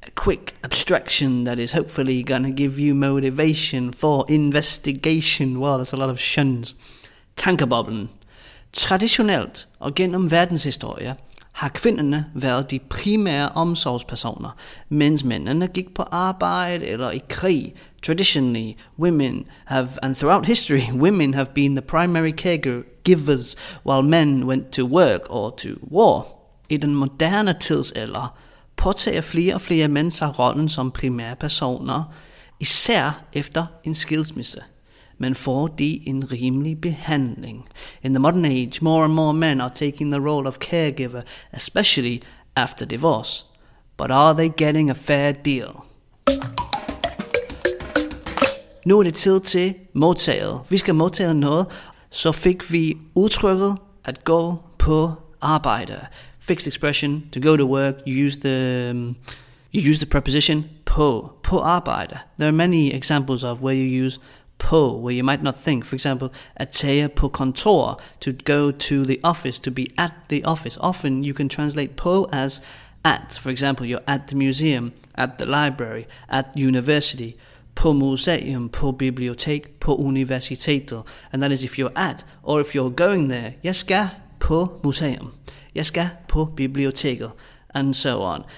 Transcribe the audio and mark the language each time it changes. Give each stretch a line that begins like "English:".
English: A quick abstraction that is hopefully gonna give you motivation for investigation. Wow, that's a lot of shuns. Tankebubblen.
Danish: Traditionelt og gennem verdenshistorie har kvinderne været de primære omsorgspersoner, mens mændene gik på arbejde eller i krig.
English: Traditionally, women have, and throughout history, women have been the primary caregivers, while men went to work or to war.
Danish: I den moderne tidsalder påtager flere og flere mænd sig rollen som primære personer, især efter en skilsmisse. Men får de en rimelig behandling?
English: In the modern age, more and more men are taking the role of caregiver, especially after divorce. But are they getting a fair deal?
Danish: Nu er det tid til modtaget. Vi skal modtage noget. Så fik vi udtrykket at gå på arbejde.
English: Fixed expression, to go to work, you use the preposition
Danish: på arbejde.
English: There are many examples of where you use på, where you might not think. For example,
Danish: at tage på kontor,
English: to go to the office, to be at the office. Often you can translate på as at. For example, you're at the museum, at the library, at university,
Danish: på museum, på bibliotek, på universitetet.
English: And that is if you're at, or if you're going there,
Danish: jeg skal på museum, jeg skal på biblioteket,
English: and so on.